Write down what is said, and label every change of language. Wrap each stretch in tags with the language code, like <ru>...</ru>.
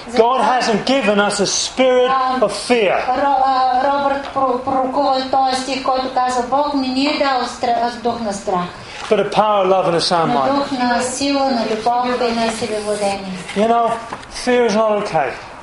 <en>God hasn't given us a spirit of fear.</en> <bg>Robert пророкува този стих, който казва, Бог не ни е дал дух на страх.</bg> <en>But a power of love and a sound mind.</en> <bg>Дух на сила, на любов и на себевладение.</bg> <en>You know, fear is not okay.</en>